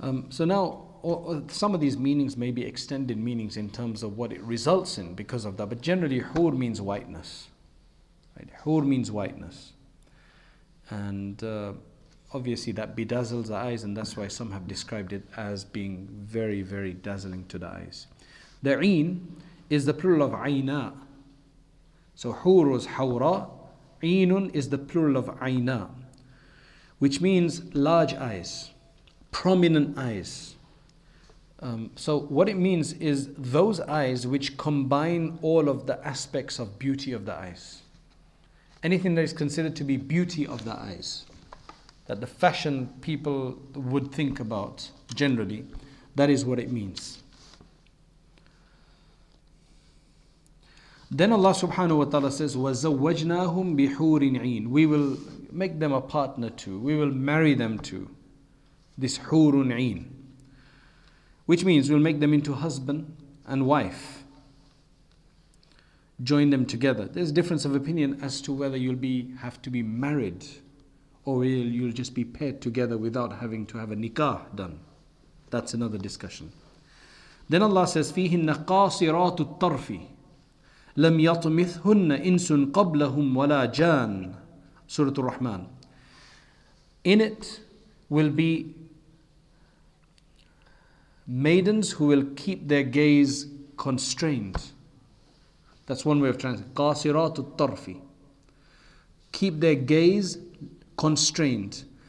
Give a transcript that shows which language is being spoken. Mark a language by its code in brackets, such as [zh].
[en] So now, some of these meanings may be extended meanings in terms of what it results in because of that. But generally, hur means whiteness. Right? Hur means whiteness. And obviously that bedazzles the eyes, and that's why some have described it as being very, very dazzling to the eyes. The een is the plural of ayna. So hur was hawra. Aynun is the plural of ayna, which means large eyes, prominent eyes. So what it means is those eyes which combine all of the aspects of beauty of the eyes. Anything that is considered to be beauty of the eyes, that the fashion people would think about generally, that is what it means. Then Allah subhanahu wa ta'ala says, [ar] وَزَوَّجْنَاهُمْ بِحُورٍ عِينٍ. [en] We will make them a partner to, we will marry them to this حُورٌ عِينٍ. Which means we'll make them into husband and wife. Join them together. There's a difference of opinion as to whether you'll have to be married or you'll just be paired together without having to have a nikah done. That's another discussion. Then Allah says, [ar] فِيهِنَّ قَاصِرَاتُ الطَّرْفِ لَمْ يَطْمِثْهُنَّ إِنْسٌ قَبْلَهُمْ وَلَا جَانٌ. [en] Surah Ar-Rahman. In it will be maidens who will keep their gaze constrained. That's one way of translating. [ar] قَاصِرَاتُ الطَّرْفِ. [en] Keep their gaze constrained.